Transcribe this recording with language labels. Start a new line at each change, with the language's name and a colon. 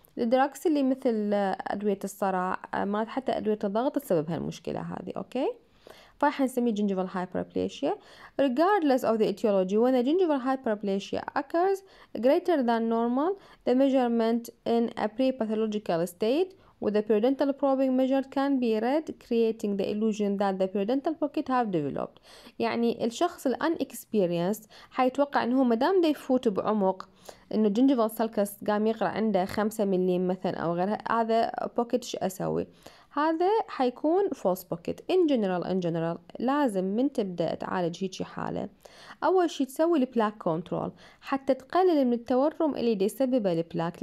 Arabic: الدراكس اللي مثل أدوية الصرع ما حتى أدوية الضغط تسبب هالمشكلة هذه. أوكي فراح نسميه
English: gingival hyperplasia regardless of the etiology. When a gingival hyperplasia occurs greater than normal, the measurement in a pre-pathological state with the periodontal probing measured can be read creating the illusion that the periodontal pocket have developed.
Arabic: يعني الشخص ال unexperienced حيتوقع انه ما دام دا يفوت بعمق انه gingival sulcus قام يقرا عنده 5 ملي مثلا او غيرها هذا بوكيت ايش اسوي؟ هذا حيكون false pocket.
English: In general
Arabic: لازم من تبدأ تعالج هيجي حالة أول شي تسوي البلاك كنترول حتى تقلل من التورم اللي دي يسببه البلاك.